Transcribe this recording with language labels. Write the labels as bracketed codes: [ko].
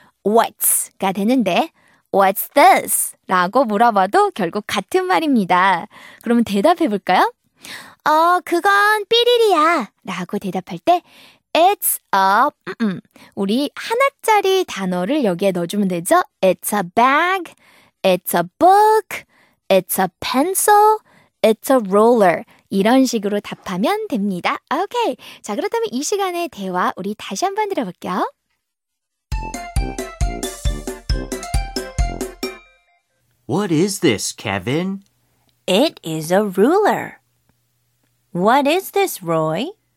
[en] What's가 [ko] 되는데 [en] What's this? [ko] 라고 물어봐도 결국 같은 말입니다. 그러면 대답해 볼까요? 그건 삐리리야 라고 대답할 때 [en] It's a... [ko] 우리 하나짜리 단어를 여기에 넣어주면 되죠? [en] It's a bag, it's a book, it's a pencil, it's a ruler. [ko] 이런 식으로 답하면 됩니다. 오케이, 자 그렇다면 이 시간의 대화 우리 다시 한번 들어볼게요. [en] What is this, Kevin? It is a ruler. What is this, Roy?